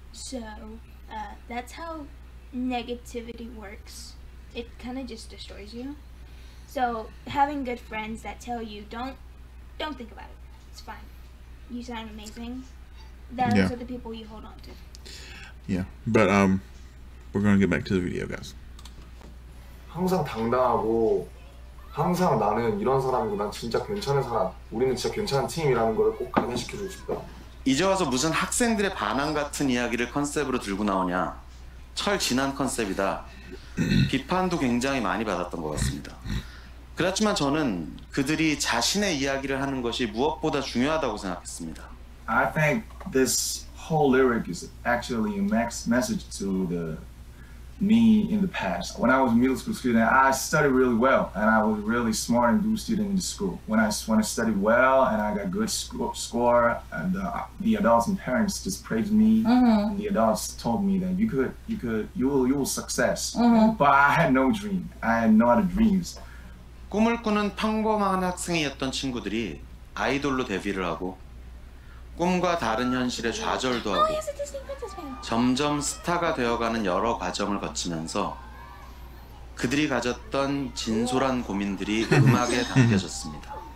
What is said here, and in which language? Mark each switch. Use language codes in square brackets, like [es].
[en] So that's how negativity works. It kind of just destroys you. So having good friends that tell you don't think about it, it's fine, you sound amazing, those yeah. are the people you hold on to. Yeah, but we're gonna get back to the video, guys. [ko] 항상 당당하고 항상 나는 이런 사람이고 난 진짜 괜찮은 사람, 우리는 진짜 괜찮은 팀이라는 걸 꼭 강조시켜주고 싶다. 이제 와서 무슨 학생들의 반항 같은 이야기를 컨셉으로 들고 나오냐. 철 지난 컨셉이다. 비판도 굉장히 많이 받았던 것 같습니다. 그렇지만 저는 그들이 자신의 이야기를 하는 것이 무엇보다 중요하다고 생각했습니다. [en] I think this whole lyric is actually a message to the me in the past. When I was a middle school student, I studied really well, and I was really smart and good student in the school. When I studied well and I got good score, and the adults and parents just praised me. Mm-hmm. And the adults told me that you will success. Mm-hmm. But I had no dream. I had no other dreams. [ko] 꿈을 꾸는 평범한 학생이었던 친구들이 아이돌로 데뷔를 하고 꿈과 다른 현실에 좌절도 하고 점점 스타가 되어가는 여러 과정을 거치면서 그들이 가졌던 진솔한 고민들이 음악에 담겨졌습니다.